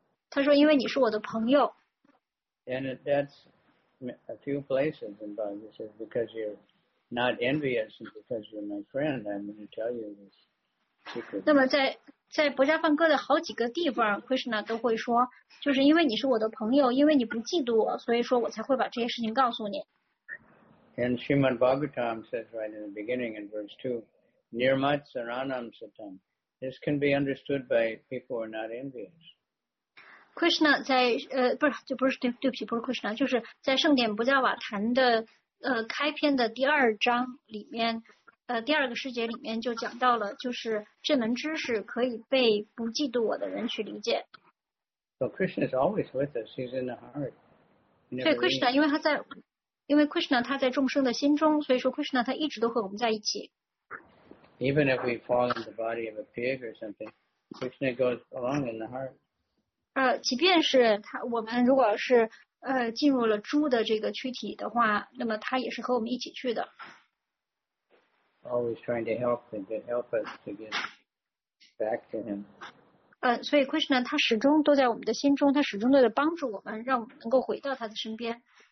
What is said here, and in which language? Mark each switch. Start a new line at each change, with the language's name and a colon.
Chinese: 他说，因为你是我的朋友。
English: And that's a few places in Bhagavad Gita. It says, because you're not envious and because you're my friend, I'm going to tell you this
Chinese: 那么在《薄伽梵歌》的好几个地方 ，Krishna 都会说，就是因为你是我的朋友，因为你不嫉妒我，所以说我才会把这些事情告诉你。
English: And Srimad Bhagavatam says right in the beginning in verse 2,
Sanskrit: Nirmat Saranam Satam.
English: This can be understood by people who are not envious.
Chinese: Krishna 在不是就不是对不起不是 Krishna 就是在圣典不加瓦坛的开篇的第二章里面第二个世界里面就讲到了就是这门知识可以被不嫉妒我的人去理解。
English: So Krishna is always with us. He's in the heart.
Chinese: 对 Krishna 因为 Krishna 他在众生的心中，所以说 Krishna 他一直都和我们在一起。
English: Even if we fall in the body of a pig or something, Krishna goes along in the heart.
Chinese: 即便是他，我们如果是进入了猪的这个躯体的话，那么他也是和我们一起去的。
English: Always trying to help him, to help us to get back to him.
Chinese: 所以 Krishna 他始终都在我们的心中，他始终都在帮助我们，让我们能够回到他的身边。